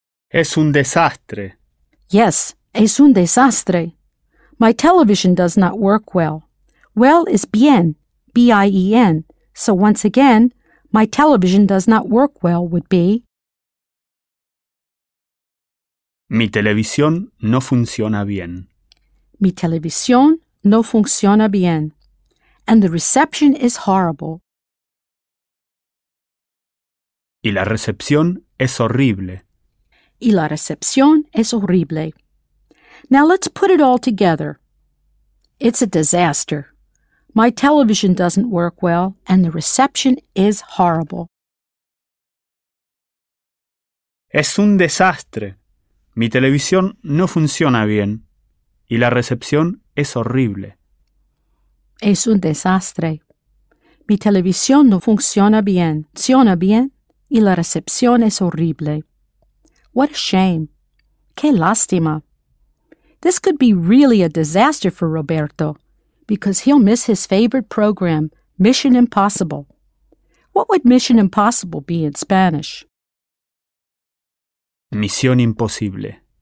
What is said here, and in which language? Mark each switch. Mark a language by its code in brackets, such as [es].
[es] Es un desastre. Yes, es un desastre. [en] My television does not work well. Well is bien, B-I-E-N, so once again... My television does not work well would be... [es] Mi televisión no funciona bien. Mi televisión no funciona bien. [en] And the reception is horrible. [es] Y la recepción es horrible. Y la recepción es horrible. [en] Now let's put it all together. It's a disaster. My television doesn't work well, and the reception is horrible. [es] Es un desastre. Mi televisión no funciona bien, y la recepción es horrible. Es un desastre. Mi televisión no funciona bien, funciona bien, y la recepción es horrible. [en] What a shame. [es] Qué lástima. [en] This could be really a disaster for Roberto. Because he'll miss his favorite program, Mission Impossible. What would Mission Impossible be in Spanish? [es] Misión Imposible.